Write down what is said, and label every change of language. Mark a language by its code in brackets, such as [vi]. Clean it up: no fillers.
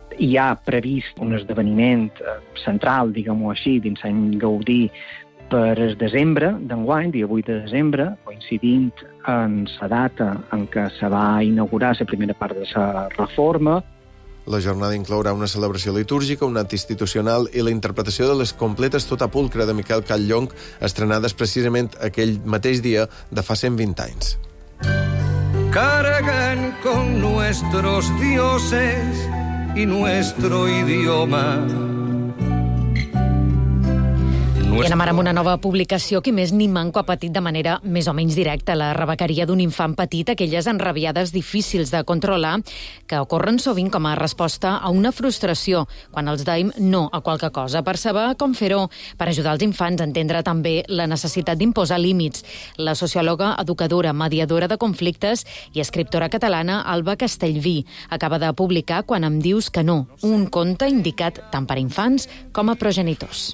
[ca] Hi ha previst un esdeveniment central, diguem-ho així, dins l'any Gaudí, per el desembre d'enguany, dia 8 de desembre, coincidint en la data en què se va inaugurar la primera part de la reforma. La jornada inclourà una celebració litúrgica, un acte institucional i la interpretació de les completes Tota Pulcra de Miquel Calllonc, estrenades precisament aquell mateix dia de fa 120 anys. [es] Carguen con nuestros dioses y nuestro idioma. [ca] I anem ara amb una nova publicació que més ni manco ha patit de manera més o menys directa la rebequeria d'un infant petit, aquelles enrabiades difícils de controlar que ocorren sovint com a resposta a una frustració quan els daim no a qualque cosa. Per saber com fer-ho, per ajudar els infants a entendre també la necessitat d'imposar límits, la sociòloga, educadora, mediadora de conflictes i escriptora catalana Alba Castellví acaba de publicar Quan em dius que no, un conte indicat tant per infants com a progenitors.